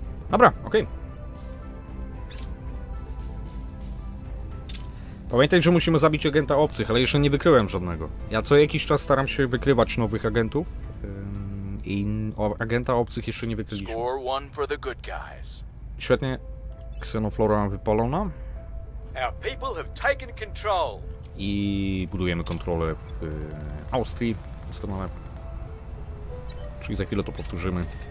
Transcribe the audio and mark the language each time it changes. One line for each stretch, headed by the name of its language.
Polish: Dobra, okej. Okay. Pamiętaj, że musimy zabić agenta obcych, ale jeszcze nie wykryłem żadnego. Ja co jakiś czas staram się wykrywać nowych agentów agenta obcych jeszcze nie wykryliśmy.
English: Score one for the good guys.
Polish: Świetnie. Xenoflora wypalona.
English: Our people have taken control.
Polish: I budujemy kontrolę w Austrii. Doskonale. Czyli za chwilę to powtórzymy.